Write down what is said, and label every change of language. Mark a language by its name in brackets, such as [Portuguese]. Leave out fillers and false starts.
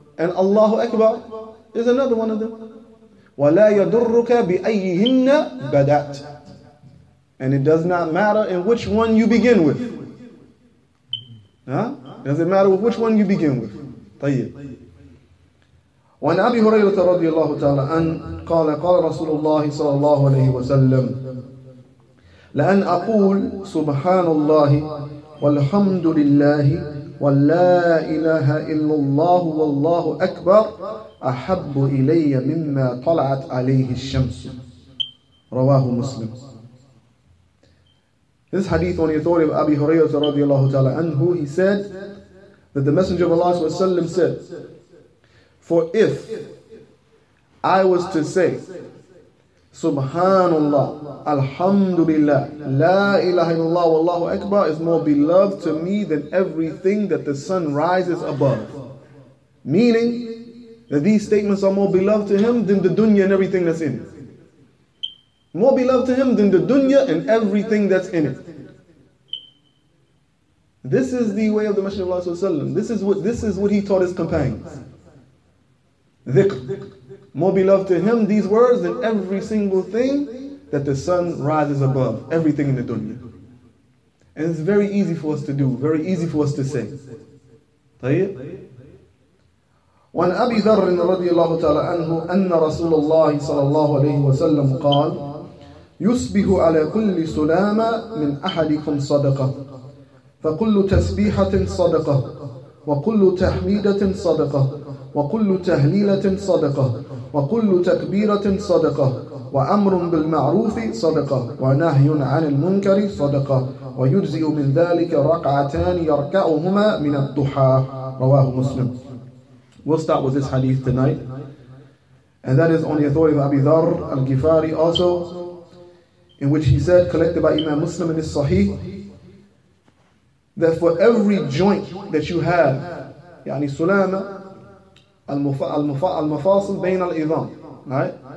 [English] And Allahu Akbar is another one of them. [Arabic] وَلَا يَدُرُّكَ بِأَيِّهِنَّ بَدَأْتَ. [English] And it does not matter in which one you begin with. Does it matter with which one you begin with? [Arabic] طيب. وعن أبي هريرة رضي الله تعالى أن قال قال رسول الله صلى الله عليه وسلم لأن أقول سبحان الله والحمد لله ولا إله إلا الله والله أكبر أحب إلي مما طلعت عليه الشمس رواه مسلم. [English] This hadith on the authority of Abi Hurayrah radiallahu ta'ala anhu, he said that the Messenger of Allah sallam said, for if I was to say Subhanallah, Alhamdulillah, La ilaha illallah, Wallahu Akbar is more beloved to me than everything that the sun rises above. Meaning that these statements are more beloved to him than the dunya and everything that's in it. More beloved to him than the dunya and everything that's in it. This is the way of the Messenger of Allah Sallallahu Alaihi Wasallam. This is what he taught his companions. Dhikr. More beloved to him, these words, than every single thing that the sun rises above. Everything in the dunya. And it's very easy for us to do. Very easy for us to say. [Arabic] طيب. وعن أبي ذر رضي الله تعالى عنه أن رسول الله صلى الله عليه وسلم قال يسبح على كل سلامة من أحدكم صدقة فكل تسبيحة صدقة وكل تحميدة صدقة وكل تهليلة صدقة وكل تكبيرة صدقة وأمر بالمعروف صدقة ونهي عن المنكر صدقة ويجزئ من ذلك ركعتان يركعهما من الضحى رواه مسلم. [English] We'll start with this hadith tonight. And that is on the authority of Abi Dharr al-Ghifari also, in which he said, collected by Imam Muslim in his Sahih, that for every joint that you have, [Arabic] يعني سلامة المفاصل بين الإظام, [English] right?